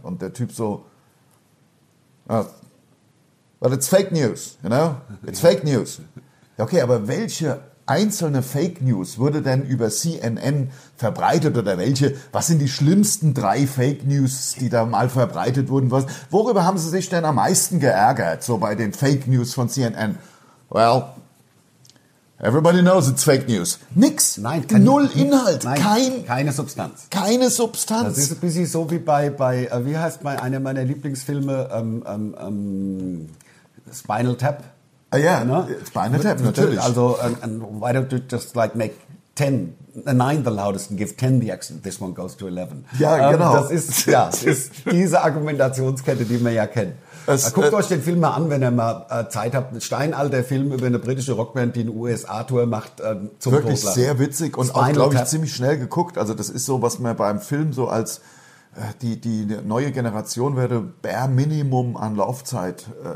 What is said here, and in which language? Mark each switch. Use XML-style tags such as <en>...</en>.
<de>Und der Typ so,</de> <en>but it's fake news, you know? It's fake news.</en> <de>Okay, aber welche einzelne Fake News wurde denn über CNN verbreitet oder welche? Was sind die schlimmsten 3 Fake News, die da mal verbreitet wurden? Worüber haben Sie sich denn am meisten geärgert, so bei den Fake News von CNN?</de> <en>Well, everybody knows it's fake news.</en> <de>Nix. Nein, null Inhalt. Nein, keine Substanz. Keine Substanz. Das ist ein bisschen so wie bei wie heißt bei einer meiner Lieblingsfilme, Spinal Tap. Ah ja, ne? Spinal Tap, natürlich.</de> <en>Also, and why don't you just like make 9 the loudest and give 10 the accent, this one goes to 11.</en> <de>Ja, genau. Das ist, ja, ist diese Argumentationskette, die man ja kennt. Guckt euch den Film mal an, wenn ihr mal Zeit habt. Ein steinalter Film über eine britische Rockband, die eine USA-Tour macht, zum Todlachen. Wirklich sehr witzig und Spinal auch, glaube ich, ziemlich schnell geguckt. Also das ist so, was man beim Film so als die neue Generation werde bare Minimum an Laufzeit.</de>